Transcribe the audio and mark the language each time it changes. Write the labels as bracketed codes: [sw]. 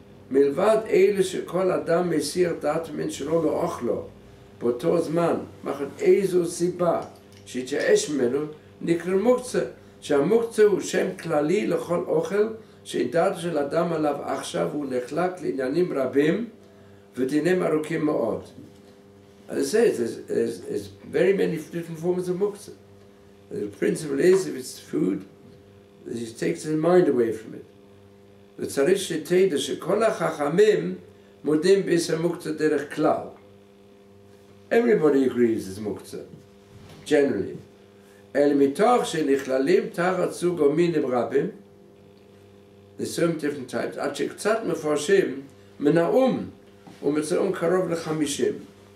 [he] מלבד אלה שכל אדם מסיר דעת מן שלא לאוכלו באותו זמן, מחד איזו סיבה שהתייאש ממנו, נקרא מוקצה, שהמוקצה הוא שם כללי לכל אוכל שדעת של אדם עליו עכשיו הוא נחלק לעניינים רבים ודינים ארוכים מאוד. אז זה, [en] it's very many different forms of מוקצה. The principle is, if it's food, it takes his mind away from it. [he] וצריך שתדע שכל החכמים מודים באיסור מוקצה דרך כלל. [en] Everybody agrees it's מוקצה, generally. [he] אלא מתוך שנכללים תחת סוג או מינים רבים, [en] there's so many different types, [he] עד שקצת מפרשים מנאום ומצאום קרוב ל-50.